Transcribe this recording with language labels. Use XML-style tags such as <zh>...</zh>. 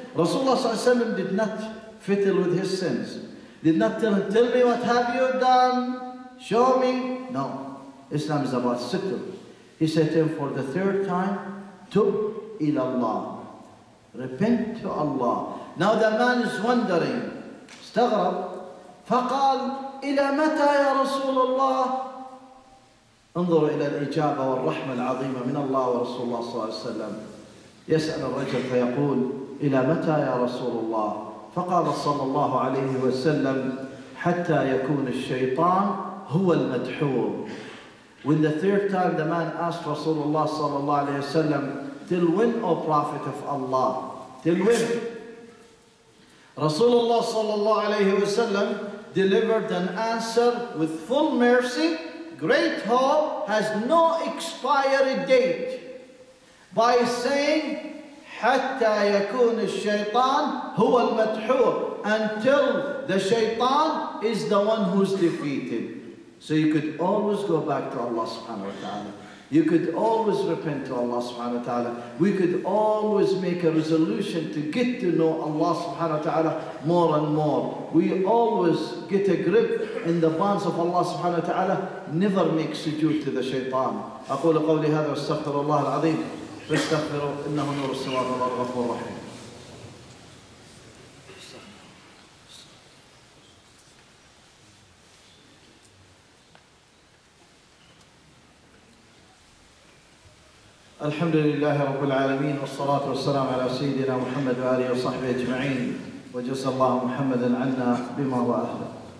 <en>Rasulullah sallallahu alayhi wa sallam did not fiddle with his sins. Did not tell him, tell me what have you done? Show me. No. Islam is about sitr. He said to him for the third time,</en> <ar>tub ila Allah.</ar> <en>Repent to Allah. Now the man is wondering.</en> <ar>استغرب. فقال إلى متى يا رسول الله؟ انظر إلى الإجابة والرحمة العظيمة من الله ورسول الله صلى الله عليه وسلم. يسأل الرجل فيقول إلى متى يا رسول الله؟ فقال صلى الله عليه وسلم حتى يكون الشيطان هو المدحور.</ar> <en>When the third time the man asked Rasulullah صلى الله عليه وسلم, till when, O Prophet of Allah, till when? Rasulullah صلى الله عليه وسلم delivered an answer with full mercy, great hope, has no expiry date, by saying</en> <ar>حتى يكون الشيطان هو المدحور,</ar> <en>until the shaytan is the one who's defeated. So you could always go back to Allah subhanahu wa ta'ala. You could always repent to Allah subhanahu wa ta'ala. We could always make a resolution to get to know Allah subhanahu wa ta'ala more and more. We always get a grip in the bonds of Allah subhanahu wa ta'ala. Never make sujood to the shaytan.</en> <ar>أقول قولي هذا واستغفر الله العظيم. فاستغفروا إنه نور السماوات والأرض الغفور الرحيم. الحمد لله رب العالمين، والصلاة والسلام على سيدنا محمد وآله وصحبه أجمعين، وجزى الله محمدا عنا بما وأهله.</ar>